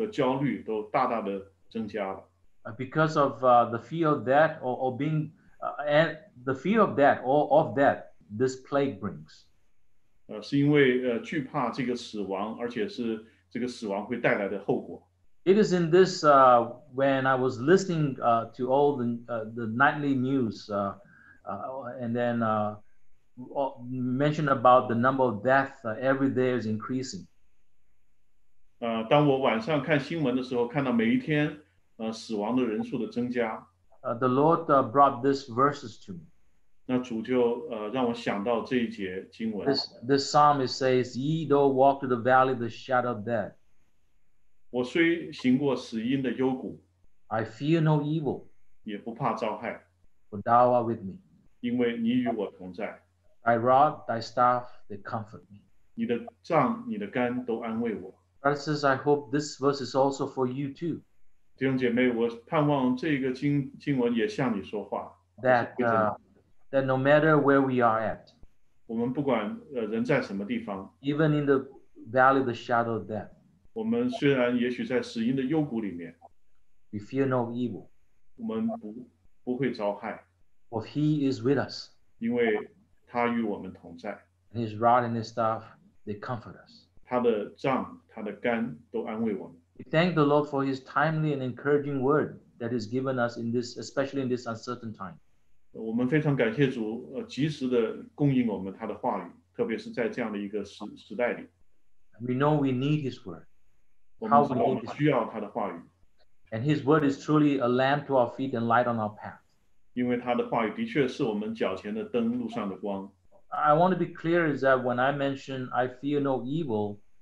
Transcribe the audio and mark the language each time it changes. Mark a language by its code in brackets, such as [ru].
[zh] 我们知道许多人他们的忧虑和焦虑都大大的增加了。 [en] Because of the fear of death or being and the fear of death or of death this plague brings. [zh] 是因为惧怕这个死亡，而且是这个死亡会带来的后果。 [en] It is in this when I was listening to all the nightly news and then mentioned about the number of deaths every day is increasing. [zh] 当我晚上看新闻的时候，看到每一天。 [en] The Lord brought this verses to me. [zh] 那主就让我想到这一节经文。 [en] This psalm it says, "Ye though walk through the valley of the shadow of death." [zh] 我虽行过死荫的幽谷。 [en] I fear no evil. [zh] 也不怕遭害。 [en] For thou art with me. [zh] 因为你与我同在。 [en] Thy rod, thy staff, they comfort me. [zh] 你的杖，你的竿都安慰我。 [en] Brothers, I hope this verse is also for you too. [zh] 弟兄姐妹，我盼望这个经文也向你说话。 [en] That no matter where we are at, [zh] 我们不管人在什么地方, [en] even in the valley of the shadow of death, [zh] 我们虽然也许在死荫的幽谷里面, [en] we fear no evil, [zh] 我们不会遭害, [en] for he is with us, [zh] 因为他与我们同在, [en] and his rod and his staff, they comfort us, [zh] 他的杖,他的竿都安慰我们。 [en] We thank the Lord for his timely and encouraging word that is given us in this, especially in this uncertain time. [zh] 我们非常感谢主，及时的供应我们他的话语，特别是在这样的一个时代里。 [en] We know we need his word. [zh] 我们需要他的话语。 [en] And his word is truly a lamp to our feet and light on our path. [zh] 因为他的话语的确是我们脚前的灯，路上的光。 [en] I want to be clear is that when I mention I fear no evil,